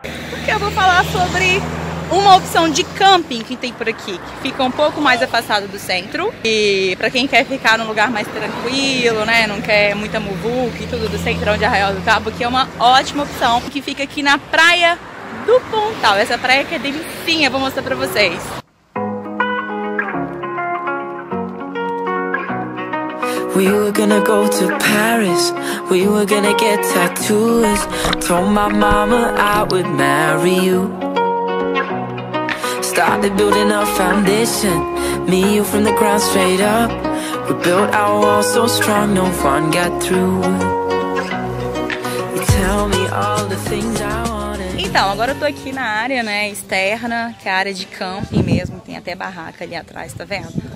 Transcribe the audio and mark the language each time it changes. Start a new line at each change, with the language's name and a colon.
Portuguese: Porque eu vou falar sobre uma opção de camping que tem por aqui, que fica um pouco mais afastado do centro. E pra quem quer ficar num lugar mais tranquilo, né? Não quer muita muvuca e tudo do centrão de Arraial do Cabo, que é uma ótima opção, que fica aqui na praia do Pontal. Essa praia que é delicinha, vou mostrar pra vocês.
English: We were gonna go to Paris. We were gonna get tattoos. Told my mama I would marry you. Started building a foundation. Me, you from the ground straight up. We built our wall so strong, no one got through. You tell me all the things I want.
Portuguese: Então, agora eu tô aqui na área, né, externa, que é a área de camping mesmo, tem até barraca ali atrás, tá vendo?